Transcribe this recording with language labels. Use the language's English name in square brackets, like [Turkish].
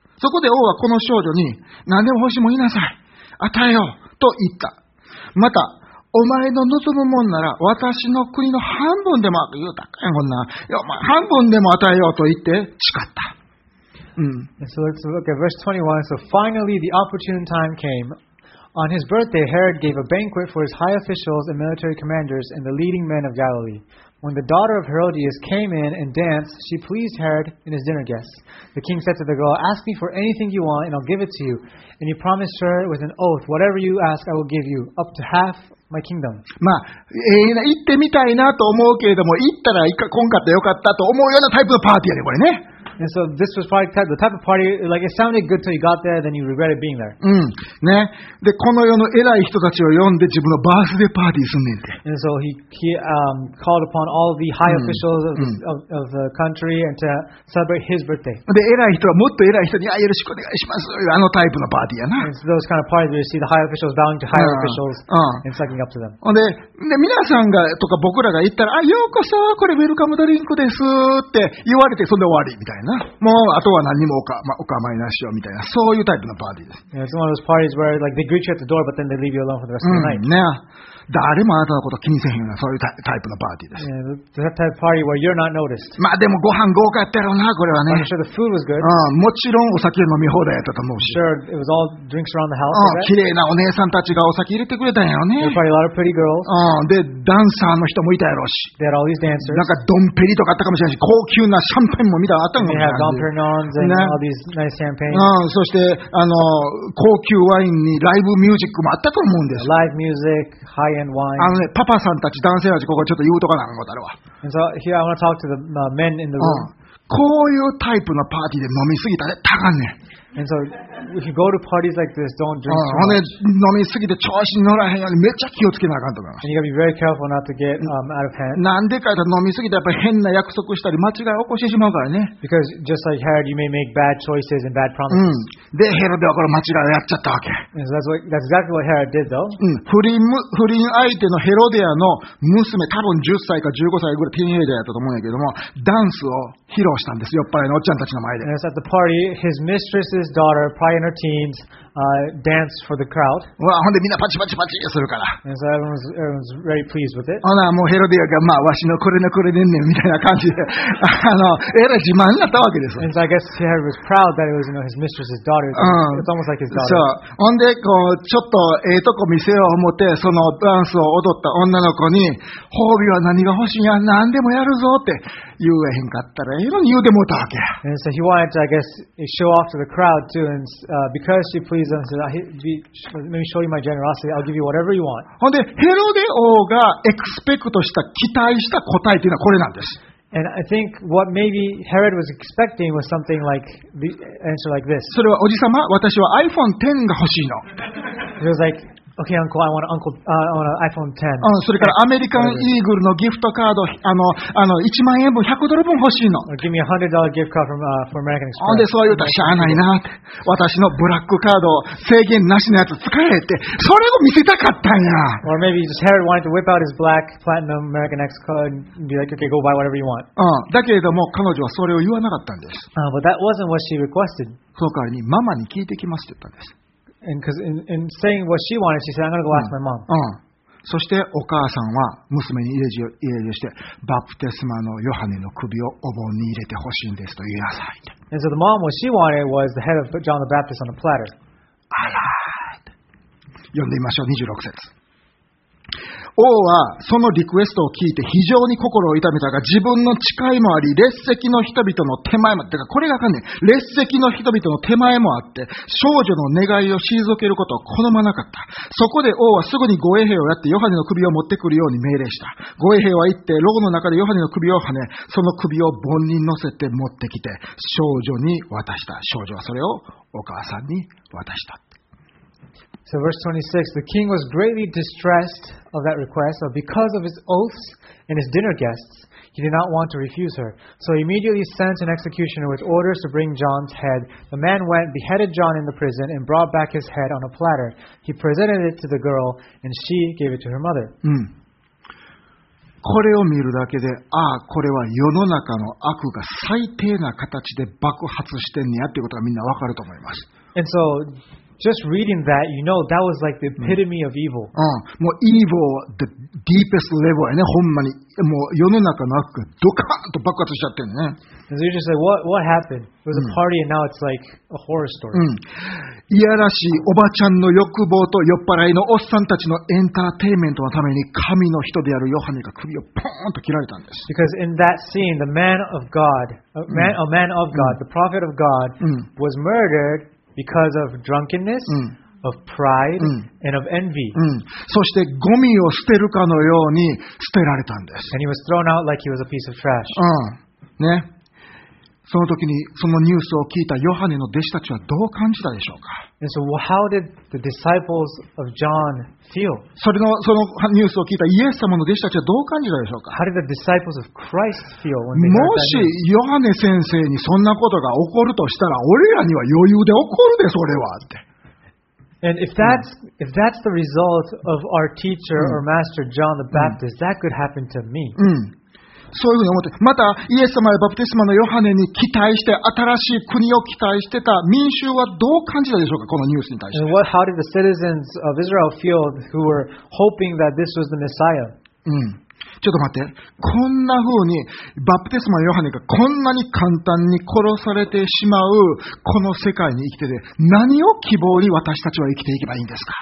[Japanese] そこで王はこの少女に、何でも欲しいもん言いなさい。与えよう。と言った。また、お前の望むもんなら私の国の半分でも、言うたかいこんな。いや、お前半分でも与えようと言って誓った。 [English] So let's look at verse 21. So finally the opportune time came. On his birthday, Herod gave a banquet for his high officials and military commanders and the leading men of Galilee. When the daughter of Herodias came in and danced, she pleased Herod and his dinner guests. The king said to the girl, "Ask me for anything you want, and I'll give it to you." And he promised her with an oath, "Whatever you ask, I will give you, up to half my kingdom." [Japanese] まあ、行ってみたいなと思うけれども、行ったら今かったよかったと思うようなタイプのパーティーやね、これね。 [English] And so this was probably the type of party, like it sounded good till you got there, then you regretted being there. [Japanese] うん。ね。で、この世の偉い人たちを呼んで自分のバースデーパーティーすんねんて。 [English] And so he called upon all the high officials of the country and to celebrate his birthday. [Japanese] で、偉い人はもっと偉い人に、あ、よろしくお願いします。あのタイプのパーティーやな。 [English] And so those kind of parties where you see the high officials bowing to higher officials and sucking up to them. [Japanese] で、皆さんがとか僕らが言ったら、あ、ようこそ、これウェルカムドリンクですって言われて、それで終わりみたいな。もうあとは何もお構いなしよみたいなそういうタイプのパーティーです。 [English] Yeah, it's one of those parties where like they greet you at the door, but then they leave you alone for the rest of the night. [Japanese] ね、誰もあなたのこと気にせへんようなそういうタイプのパーティーです。 [English] Yeah, that type of party where you're not noticed. [Japanese] まあでもご飯豪華やったろうなこれはね。 [English] I'm sure the food was good. [Japanese] うん、もちろんお酒飲み放題やったと思うし。 [English] Sure, it was all drinks around the house. [Japanese] うん、綺麗なお姉さんたちがお酒入れてくれたんやろね。 [English] There were probably a lot of pretty girls. [Japanese] うん、でダンサーの人もいたやろし。 [English] They had all these dancers. [Japanese] なんかドンペリとかあったかもしれないし、高級なシャンパンも見たあったんか。 [English] They have Dom Pérignons and all these nice champagnes. [Japanese] そしてあの高級ワインにライブミュージックもあったと思うんですよ。 [English] Live music, high-end wine. [Japanese] あのね、パパさんたち、男性たち、ここちょっと言うとかなんかだろうわ。 [English] And so here I want to talk to the men in the room. [Japanese] こういうタイプのパーティーで飲みすぎたらたかんねん。 [English] And so, if you go to parties like this, don't drink too much. [Japanese] 飲みすぎて調子に乗らへんようにめっちゃ気をつけなあかんとか。 [English] And you gotta be very careful not to get out of hand. [Japanese] なんでかと飲みすぎてやっぱり変な約束したり間違い起こしてしまうからね。 [English] Because just like Herod, you may make bad choices and bad promises. [Japanese] で、ヘロデはこれ間違いをやっちゃったわけ。 [English] And so that's exactly what Herod did, though. [Japanese] 不倫相手のヘロデアの娘、多分10歳か15歳ぐらいティーンエイジャーだったと思うんやけども、ダンスを披露したんです。酔っ払いのおっちゃんたちの前で。 [English] And so at the party, his mistress His daughter, probably in her teens, danced for the crowd. [Japanese] わあ、ほんでみんなパチパチパチするから。 [English] And so everyone was very pleased with it. [Japanese] ほな、もうヘロデアが、まあ、わしのこれのこれでんねんみたいな感じで、えらい自慢になったわけです。 [English] And so I guess Herod was proud that it was, you know, his mistress's daughter. It's almost like his daughter. [Japanese] そう。ほんで、こう、ちょっとええとこ見せよう思って、そのダンスを踊った女の子に、褒美は何が欲しいんや、何でもやるぞって。言えへんかったらええのに言うてもうたわけ。 [English] And so he wanted to, I guess, show off to the crowd too. And because she pleased him, he said, let me show you my generosity. I'll give you whatever you want. [Japanese] ほんで、ヘロデ王がエクスペクトした、期待した答えっていうのはこれなんです。 [English] And I think what maybe Herod was expecting was something like the answer like this. [Japanese] それは、おじさま、私は iPhone X が欲しいの。 [English] He was like,Okay, Uncle. I want an iPhone 10. [Japanese] それからアメリカンイーグルのギフトカード、1万円分、100ドル分欲しいの。 [English] Give me a $100 gift card from for American Express. [Japanese] ほんでそう言うたらしゃあないな。私のブラックカード制限なしのやつ使えって、それを見せたかったんや。 [English] Or maybe just Herod wanted to whip out his black platinum American Express card and be like, okay, go buy whatever you want. [Japanese] だけれども彼女はそれを言わなかったんです。 [English] But that wasn't what she requested. [Japanese] その代わりにママに聞いてきますって言ったんです。 [English] And because in saying what she wanted, she said, "I'm going to go ask my mom." [Japanese] そしてお母さんは娘に入れしてバプテスマのヨハネの首をお盆に入れてほしいんですと言いなさい。 [English] And so the mom, what she wanted was the head of John the Baptist on a platter. [Japanese] あら。読んでみましょう。26節。王はそのリクエストを聞いて非常に心を痛めたが自分の誓いもあり列席の人々の手前もってかこれがわかんねえ列席の人々の手前もあって少女の願いを退けることを好まなかったそこで王はすぐに護衛兵をやってヨハネの首を持ってくるように命令した護衛兵は行って牢の中でヨハネの首をはねその首を盆に乗せて持ってきて少女に渡した少女はそれをお母さんに渡した [English] So verse 26, the king was greatly distressed of that request, but because of his oaths and his dinner guests, he did not want to refuse her. So he immediately sent an executioner with orders to bring John's head. The man went, beheaded John in the prison, and brought back his head on a platter. He presented it to the girl, and she gave it to her mother. [Japanese] これを見るだけで、ああ、これは世の中の悪が最低な形で爆発してんねやっていうことがみんなわかると思います。 [English] And so, just reading that, you know, that was like the epitome of evil. もう evil the deepest level やね。 [Japanese] ほんまにもう世の中の悪がドカーンと爆発しちゃってるね。 [English] And so you just say, what happened? It was a party, and now it's like a horror story. [Japanese] いやらしいおばちゃんの欲望と酔っ払いのおっさんたちのエンターテインメントのために神の人であるヨハネが首をポーンと切られたんです。 [English] Because in that scene, the man of God, a man of God, the prophet of God, was murdered. Because of drunkenness, of pride, and of envy. [Japanese] そしてゴミを捨てるかのように捨てられたんです。 [English] And he was thrown out like he was a piece of trash. [Japanese] ね。その時にそのニュースを聞いたヨハネの弟子たちはどう感じたでしょうか。 [English] And so how did the disciples of John feel? [Japanese] そのニュースを聞いたイエス様の弟子たちはどう感じたでしょうか。 [English] How did the disciples of Christ feel when they heard that news? [Japanese] もしヨハネ先生にそんなことが起こるとしたら、俺らには余裕で起こるでそれはって。 [English] And if that's the result of our teacher or master John the Baptist, that could happen to me. [Japanese] そういうふうに思って、またイエス様やバプテスマのヨハネに期待して新しい国を期待してた民衆はどう感じたでしょうか、このニュースに対して。 [English] What, how did the citizens of Israel feel who were hoping that this was the Messiah? [Japanese] ちょっと待って、こんなふうにバプテスマのヨハネがこんなに簡単に殺されてしまうこの世界に生きてて、何を希望に私たちは生きていけばいいんですか。